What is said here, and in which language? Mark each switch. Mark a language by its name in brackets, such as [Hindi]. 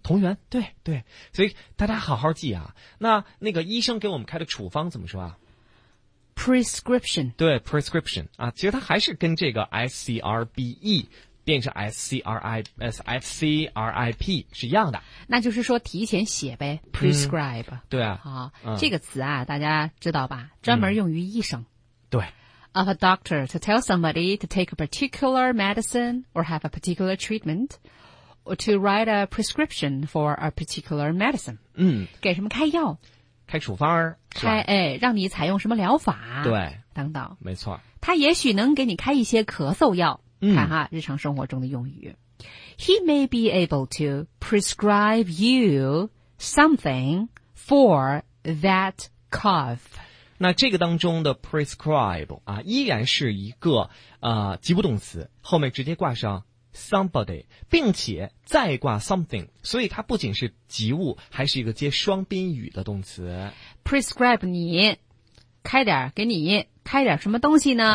[Chinese] 同源，对对，所以大家好好记啊。那个医生给我们开的处方怎么说啊 [English] ？Prescription， [Chinese] 对 ，prescription 啊，其实它还是跟这个 scribe 变成 scribe 是一样的。那就是说提前写呗 ，prescribe。对啊，这个词啊，大家知道吧？专门用于医生。对。 [English] Of a doctor to tell somebody to take a particular medicine or have a particular treatment。 To write a prescription for a particular medicine. [Chinese] 给什么开药，开处方，开，哎，让你采用什么疗法，对，等等，没错，他也许能给你开一些咳嗽药。看哈，日常生活中的用语。 [English] He may be able to prescribe you something for that cough. [Chinese] 那这个当中的 prescribe 啊，依然是一个及物动词，后面直接挂上somebody， 并且再挂 something， 所以它不仅是及物，还是一个接双宾语的动词。 prescribe 你，开点给你开点什么东西呢、